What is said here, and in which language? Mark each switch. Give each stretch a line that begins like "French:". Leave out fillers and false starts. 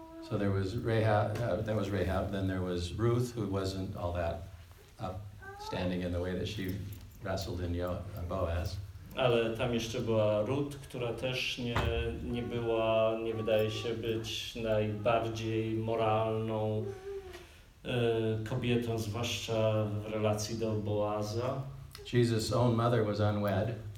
English: So there was Rahab, then there was Ruth, who wasn't all that upstanding in the way that she wrestled in Boaz.
Polish: Ale tam jeszcze była Ruth, która też nie była, nie wydaje się być najbardziej moralną kobietą, zwłaszcza w relacji do Boaza.
English: Jesus' own mother was unwed.